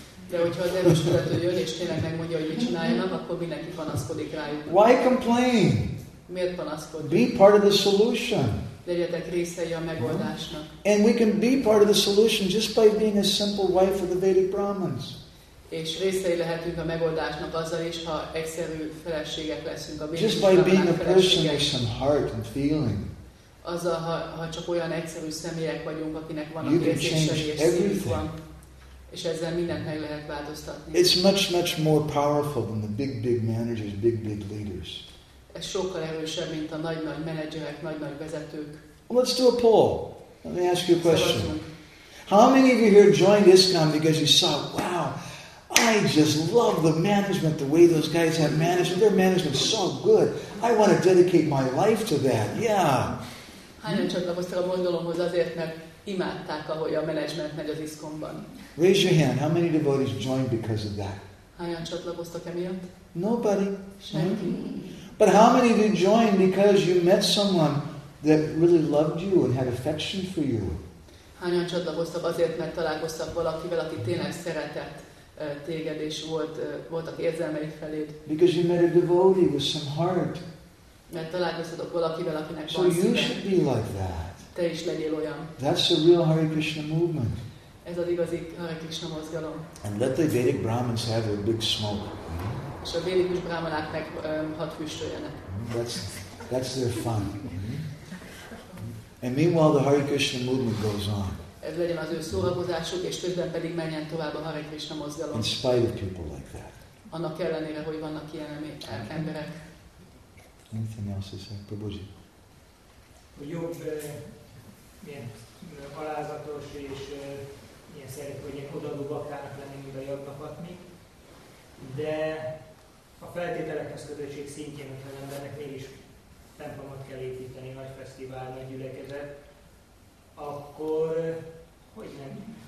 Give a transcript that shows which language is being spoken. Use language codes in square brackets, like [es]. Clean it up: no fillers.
[hu] De hogyha az erős vezető jön és tényleg megmondja, hogy mit csináljanak, akkor mindenki panaszkodik rájuk. [en] Why complain? [hu] Miért panaszkodik? [en] Be part of the solution. [hu] Legyetek részei a megoldásnak. [en] And we can be part of the solution just by being a simple wife of the Vedic Brahmins. [hu] És részei lehetünk a megoldásnak azzal is, ha egyszerű feleségek leszünk a bizonyos. [en] Just by being a person with some heart and feeling. [hu] Azzal, ha csak olyan egyszerű személyek vagyunk, akinek van a érzései és szívük van, és ezzel mindent meg lehet változtatni. [en] It's much, much more powerful than the big, big managers, big, big leaders. [hu] Ez sokkal erősebb, mint a nagy-nagy menedzserek, nagy-nagy vezetők. [en] Let's do a poll. Let me ask you a question. How many of you here joined ISKCON because you saw, wow, I just love the management, the way those guys have managed. Their management is so good. I want to dedicate my life to that. Yeah. [hu] Hányan csatlakoztak a mondalomhoz azért, mert imádták, ahogy a management megy az ISKCON-ban. [en] Raise your hand. How many devotees joined because of that? [hu] Hányan csatlakoztak emiatt? [en] Nobody. [hu] Senki. [en] But how many did join because you met someone that really loved you and had affection for you? [hu] Hányan csatlakoztak azért, mert találkoztak valakivel, aki tényleg szeretett téged, és voltak érzelmei feléd. [en] Because you met a devotee with some heart. [hu] Mert találkoztatok valakivel, akinek van szíve. [en] So you should be like that. [hu] Te is legyél olyan. [en] That's the real Hare Krishna movement. [hu] Ez az igazi Hare Krishna mozgalom. [en] And let the Vedic Brahmins have a big smoke. És a Vedikus Brahmanák meg hadd füstöljenek. That's their fun. And meanwhile, the Hare Krishna movement goes on. [hu] Ez legyen az ő szórakozásuk, és közben pedig menjen tovább a Hare Krishna mozgalom. [en] In spite of people like that. [hu] Annak ellenére, hogy vannak ilyen emberek. [en] Anything else to say? Prabhuji. [hu] A jobb, milyen alázatos és ilyen szeretik, hogy ilyen odaadó bakának lenni, mint a jobbnak adni, de a feltételekhez közösség szintjén, hogyha embernek mégis templomot kell építeni, nagy fesztivál, nagy gyülekezet, akkor hogy nem?